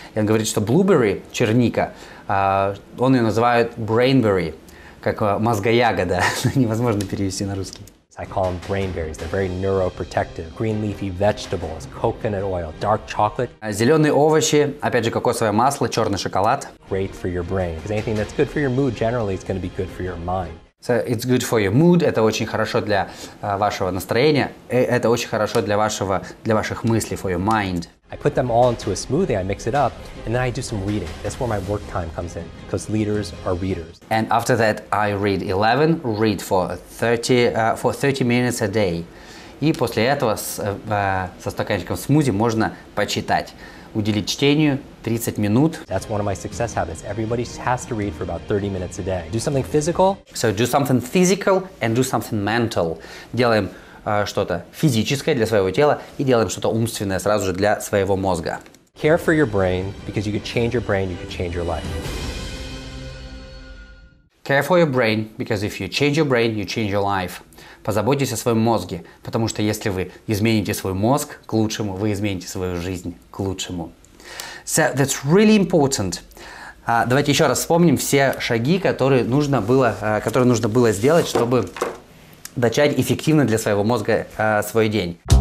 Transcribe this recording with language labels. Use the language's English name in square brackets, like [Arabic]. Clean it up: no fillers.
[Russian] И он говорит, что blueberry, черника, он ее называет brainberry. как мозгоягода. Невозможно перевести на русский. [English] I call them brain berries. They're very neuroprotective. Green leafy vegetables, coconut oil, dark chocolate. [Russian] Зеленые овощи, опять же кокосовое масло, черный шоколад. [English] Great for your brain. Because anything that's good for your mood generally is going to be good for your mind. So it's good for your mood. [Russian] Это очень хорошо для вашего настроения. Это очень хорошо для вашего, для ваших мыслей, [English] for your mind. I put them all into a smoothie, I mix it up, and then I do some reading. That's where my work time comes in, because leaders are readers. And after that, I read 11, read for 30 minutes a day. [Russian] И после этого со стаканчиком смузи можно почитать. Уделить чтению 30 минут. [English] That's one of my success habits. Everybody has to read for about 30 minutes a day. Do something physical. So do something physical and do something mental. [Russian] Делаем что-то физическое для своего тела и делаем что-то умственное сразу же для своего мозга. [English] Care for your brain, because you could change your brain, you could change your life. Care for your brain, because if you change your brain, you change your life. [Russian] Позаботьтесь о своем мозге, потому что если вы измените свой мозг к лучшему, вы измените свою жизнь к лучшему. [English] So that's really important. [Russian] Давайте еще раз вспомним все шаги, которые нужно было сделать, чтобы начать эффективно для своего мозга свой день.